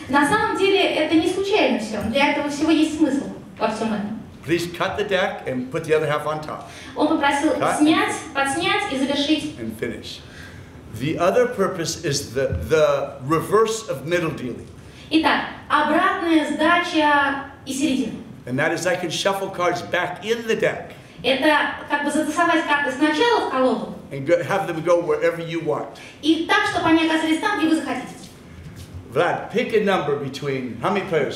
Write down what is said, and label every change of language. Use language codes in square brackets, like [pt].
[ru] На самом деле это не случайно все. Для этого всего есть смысл во всем этом. [en] Please cut the deck and put the other half on top. [ru] Он попросил подснять и завершить. [en] And finish. The other purpose is the reverse of middle dealing. [ru] Итак, обратная сдача из середины. [en] And that is I can shuffle cards back in the deck. [ru] Это как бы затасовать карты сначала в колоду. [en] And go, have them go wherever you want. [ru] И так, чтобы они оказались там, где вы захотите. [en] Vlad, pick a number between how many players?